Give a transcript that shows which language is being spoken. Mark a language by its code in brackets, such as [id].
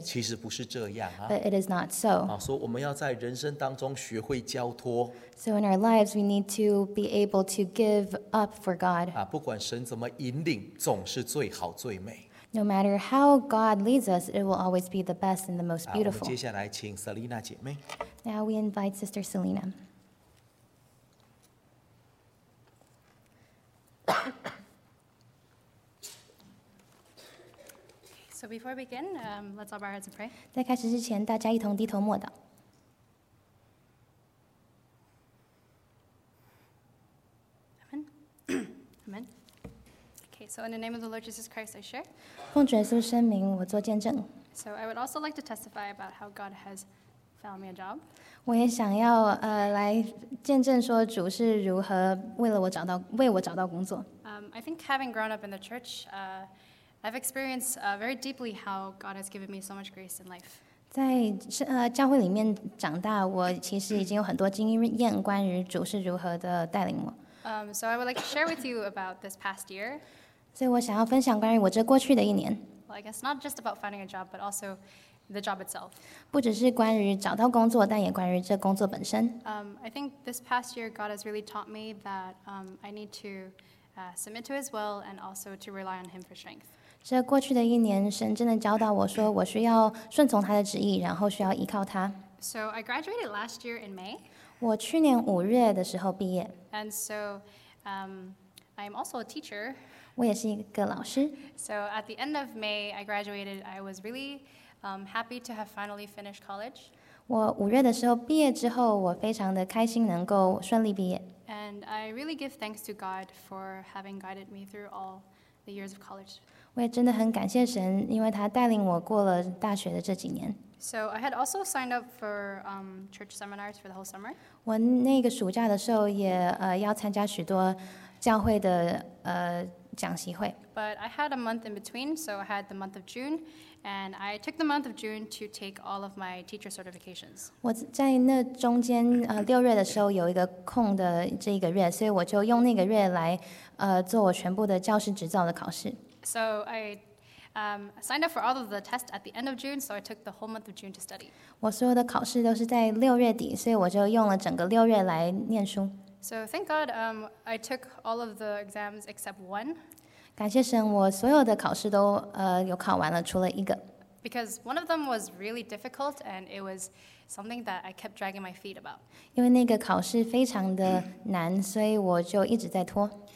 [zh] 其实不是这样啊。 [en] But it is not so. [zh] 啊，所以我们要在人生当中学会交托。 [en] So in our lives, we need to be able to give up for God. [zh] 啊，不管神怎么引领，总是最好最美。 [en] No matter how God leads us, it will always be the best and the most beautiful. [zh] 啊，我们接下来请 Selina 姐妹。 [en] Now we invite Sister Selina. So before we begin, let's all bow our heads and pray. [zh] 在开始之前，大家一同低头默祷。 [en] Amen. Amen. Okay, so in the name of the Lord Jesus Christ, I share. [zh] 奉主耶稣圣名，我做见证。 [en] So I would also like to testify about how God has found me a job. [zh] 我也想要来见证说主是如何为我找到工作。 [en] I think having grown up in the church, I've experienced very deeply how God has given me so much grace in life. [zh] 在教会里面长大，我其实已经有很多经验关于主是如何的带领我。 [en] So I would like to share with you about this past year. [zh] 所以我想要分享关于我这过去的一年。 [en] Well, I guess not just about finding a job, but also the job itself. [zh] 不只是关于找到工作，但也关于这工作本身。 [en] I think this past year, God has really taught me that I need to submit to His will and also to rely on Him for strength. [zh] 这过去的一年，神真的教导我说，我需要顺从他的旨意，然后需要依靠他。 [en] So I graduated last year in May. [zh] 我去年五月的时候毕业。 [en] And so, I'm also a teacher. [zh] 我也是一个老师。 [en] So at the end of May, I graduated. I was really happy to have finally finished college. [zh] 我五月的时候毕业之后，我非常的开心能够顺利毕业。 [en] And I really give thanks to God for having guided me through all the years of college. [zh] 我也真的很感谢神，因为他带领我过了大学的这几年。 [en] So I had also signed up for church seminars for the whole summer. [zh] 我那个暑假的时候也要参加许多教会的讲习会。 [en] But I had a month in between, so I had the month of June, and I took the month of June to take all of my teacher certifications. [zh] 我在那中间六月的时候有一个空的这个月，所以我就用那个月来做我全部的教师执照的考试。 [en] So I signed up for all of the tests at the end of June, so I took the whole month of June to study. [zh] 我所有的考试都是在六月底，所以我就用了整个六月来念书。 [en] So thank God, I took all of the exams except one. [zh] 感谢神，我所有的考试都有考完了，除了一个。 [en] Because one of them was really difficult, and it was something that I kept dragging my feet about. [zh] 因为那个考试非常的难，所以我就一直在拖。